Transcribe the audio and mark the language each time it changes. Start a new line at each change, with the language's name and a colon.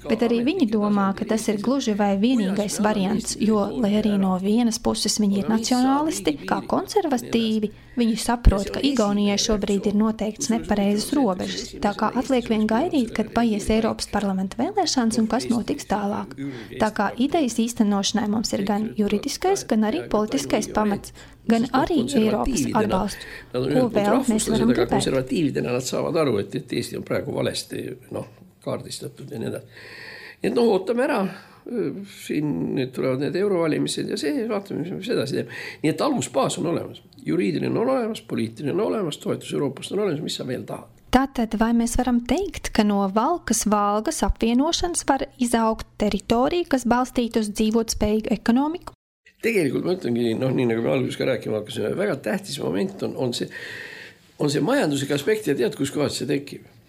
Latvian: Bet arī viņi domā, ka tas ir gluži vai vienīgais variants, jo, lai arī no vienas puses viņi ir nacionālisti, kā konservatīvi, viņi saprot, ka Igaunijai šobrīd ir noteikts nepareizas robežas. Tā kā atliek vien gaidīt, kad paies Eiropas parlamenta vēlēšanas un kas notiks tālāk. Tā kā idejas īstenošanai mums ir gan juridiskais, gan arī politiskais pamats, gan arī Eiropas atbalsts. Ko vēl mēs varam gribēt?
Estonian: Konservatīvidena nad saavad aru, et Eesti on praegu valesti kaardistatud ja nedas. Et no ootame ära. Siin nüüd tulevad need eurovalimised ja see, vaatame, mis me edasi teeme. Nii et alusbaas on olemas. Juriidiline on olemas, poliitiline on olemas, toetus Euroopast on olemas, mis sa veel tahad.
Latvian: Tātad, vai mēs varam teikt, ka no Valkas Valgas apvienošanas var izaugt teritoriju, kas balstītu uz dzīvotspējīgu ekonomiku?
Estonian: Tegelikult ma ütlengi, nii nagu me alguses ka rääkima hakkasime, väga tähtis moment on see majanduslik aspekt ja tead, kus kohas see tekib.